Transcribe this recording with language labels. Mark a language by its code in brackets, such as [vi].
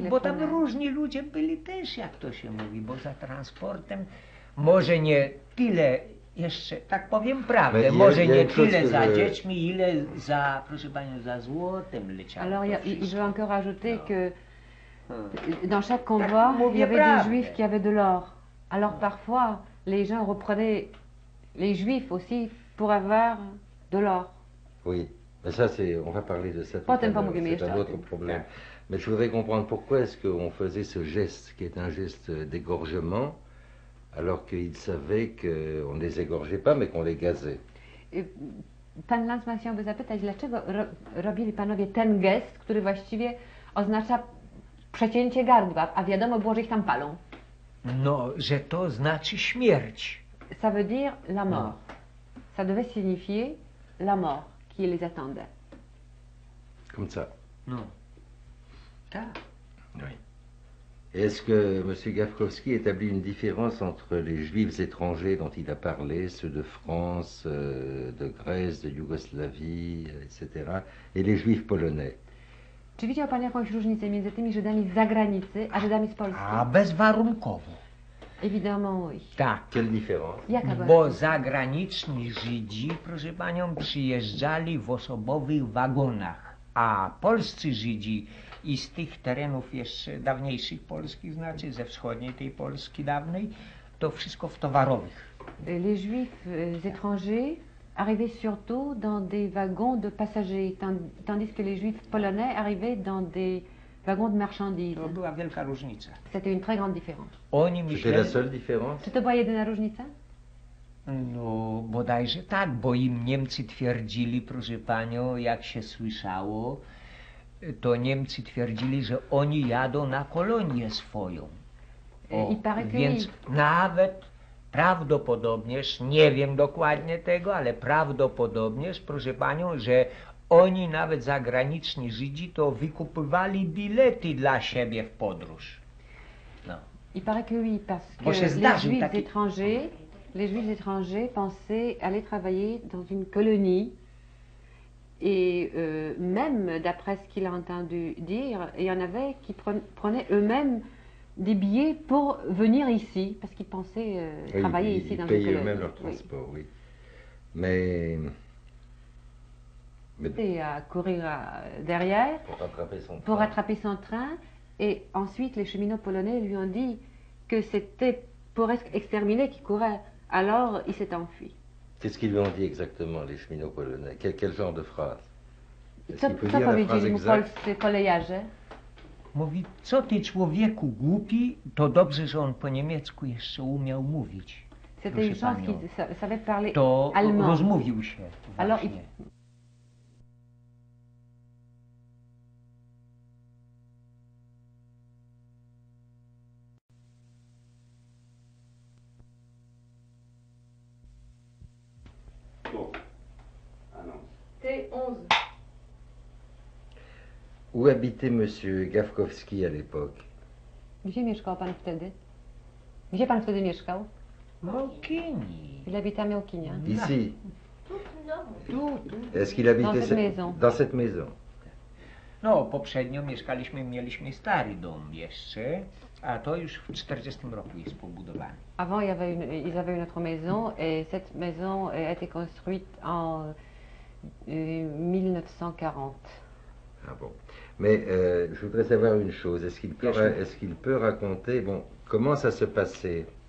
[pl] tam różni ludzie byli też, jak to się mówi, bo za transportem może nie tyle jeszcze, tak powiem prawdę, mais może nie tyle za dziećmi, ile za, proszę panią, za złotem leciało. [fr] Alors, je veux encore ajouter que dans chaque convoi, il y avait des Juifs qui avaient de l'or. Alors parfois, les gens reprenaient les Juifs aussi pour avoir de l'or. Oui. Mais ça, c'est, on va parler de ça tout à l'heure, c'est un autre problème. Mais je voudrais comprendre pourquoi est-ce qu'on faisait ce geste, qui est un geste d'égorgement, alors qu'ils savaient qu'on ne les égorgeait pas, mais qu'on les gazait. [pl] Pan Lanzmann, chciałby vous zapytać, dlaczego robili panowie ten gest, który właściwie oznacza przecięcie gardła, a wiadomo było, że ich tam palą? No, że to znaczy śmierć. [fr] Ça veut dire la mort. Ça devait signifier la mort. Qui les attendait. Comme ça? Non. Ta. Oui. Est-ce que M. Gavkovski établit une différence entre les juifs étrangers dont il a parlé, ceux de France, de Grèce, de Yougoslavie, etc., et les juifs polonais? [pl] Czy widział pan jakąś różnicę między tymi Żydami z zagranicy, a Żydami z Polski? A bezwarunkowo. [fr] Évidemment, oui. [pl] Tak. [fr] Quelle différence? [pl] Jaka bo była? Zagraniczni Żydzi, proszę panią, przyjeżdżali w osobowych wagonach, a polscy Żydzi i z tych terenów jeszcze dawniejszych Polski, znaczy ze wschodniej tej Polski dawnej, to wszystko w towarowych. [fr] Les Juifs étrangers arrivaient surtout dans des wagons de passagers, tandis que les Juifs polonais arrivaient dans des wagons de marchandises. [pl] To była wielka różnica. [fr] C'était une très grande différence. [pl] Oni myśleli... [fr] C'était la seule différence? [pl] Czy to była jedyna różnica? No, bodajże tak, bo im Niemcy twierdzili, proszę panią, jak się słyszało, to Niemcy twierdzili, że oni jadą na kolonię swoją. O, więc nawet prawdopodobnież, nie wiem dokładnie tego, ale prawdopodobnież, proszę panią, że oni nawet zagraniczni Żydzi to wykupywali bilety dla siebie w podróż. No. [fr] I paraît que oui, parce que les Juifs taki... étrangers, les Juifs étrangers pensaient aller travailler dans une colonie. Et même d'après ce qu'il a entendu dire, il y en avait qui prenaient eux-mêmes des billets pour venir ici, parce qu'ils pensaient travailler ici dans une colonie. Ils payaient eux-mêmes leur transport, oui. Mais... Et à courir derrière pour rattraper son train. Et ensuite, les cheminots polonais lui ont dit que c'était pour exterminer qu'il courait. Alors, il s'est enfui. Qu'est-ce qu'ils lui ont dit exactement, les cheminots polonais? Quel genre de phrase? [pl] Co powiedzieli mu polscy kolejarze? Mówi, co ty człowieku głupi, to dobrze, że on po niemiecku jeszcze umiał mówić. [fr] C'était une chance qu'il savait parler [pl] to [fr] allemand. [pl] To rozmówił się. [fr] Alors, où habitait monsieur Gawkowski à l'époque? [pl] Gdzie mieszkał pan wtedy? Gdzie pan wtedy mieszkał? Mokini. [fr] Il habitait à Mokini. Ici. Tout. Est-ce qu'il habitait dans cette maison? Dans cette maison. [pl] No, poprzednio mieszkaliśmy, mieliśmy stary dom jeszcze, a to już w 40 roku jest pobudowany. [fr] Avant, ils avaient une autre maison et cette maison a été construite en 1940. Ah bon. Mais je voudrais savoir une chose. Est-ce qu'il peut raconter, bon, comment ça se passait?